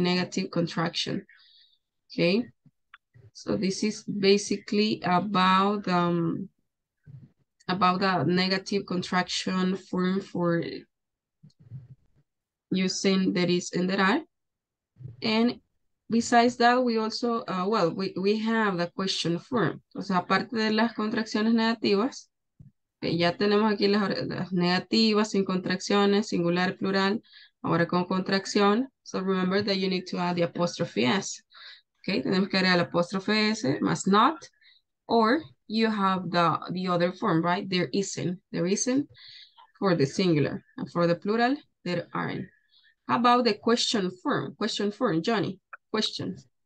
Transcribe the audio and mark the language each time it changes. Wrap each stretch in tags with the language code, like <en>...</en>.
<en>Negative contraction. Okay. So this is basically about the negative contraction form for using there is and there are. And besides that, we also, well, we have the question form.</en> <es>O sea, aparte de las contracciones negativas, okay, ya tenemos aquí las negativas sin contracciones, singular, plural, ahora con contracción.</es> <en>So remember that you need to add the apostrophe S. Okay,</en> <es>tenemos que agregar el apóstrofe S, más not,</es> <en>or you have the other form, right? There isn't for the singular, and for the plural, there aren't. How about the question form? Question form, Johnny, question.</en>